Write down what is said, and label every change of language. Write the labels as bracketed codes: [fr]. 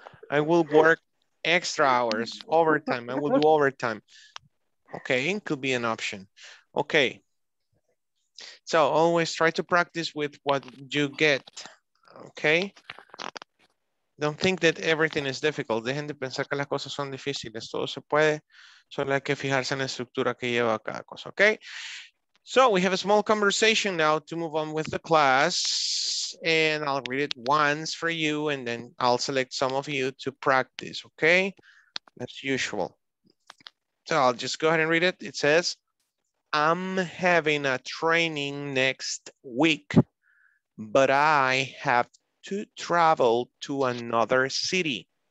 [en] I will work extra hours, overtime. I will do overtime. Okay, it could be an option. Okay. So always try to practice with what you get. Okay. Don't think that everything is difficult. [es] Dejen de pensar que las cosas son difíciles. Todo se puede. Solo hay que fijarse en la estructura que lleva cada cosa. Okay. [en] So we have a small conversation now to move on with the class, and I'll read it once for you and then I'll select some of you to practice, okay? As usual. So I'll just go ahead and read it. It says, I'm having a training next week, but I have to travel to another city.